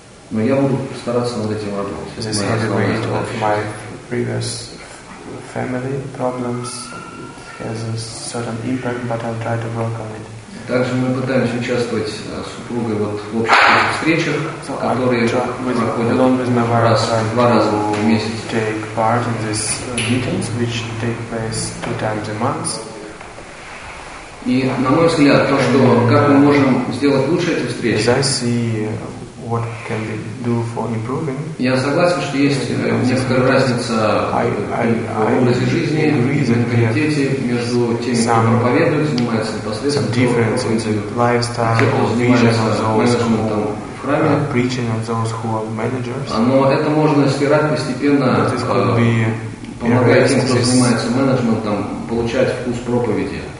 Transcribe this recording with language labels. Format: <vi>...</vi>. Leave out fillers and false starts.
<ru>Но я буду стараться над этим работать.</ru> <en>Previous family problems, it has a certain impact, but I'll try to work on it.</en> <ru>Также мы пытаемся участвовать с супругой вот в общих встречах, которые проходят два раза в месяц.</ru> <en>Take part in these meetings, which take place 2 times a month.</en> <ru>И на мой взгляд, то, что как мы можем сделать лучше эти встречи.</ru> <en>As I see, what can we do for improving?</en> <ru>Я согласен, что есть некоторая разница в образе жизни, в менталитете между теми, кто проповедует, занимается непосредственно, тем, кто занимается менеджментом в храме.</ru> <en>Preaching and those who are managers.</en> <ru>Но это можно стирать постепенно, помогая тем, кто занимается менеджментом, получать вкус проповеди.</ru>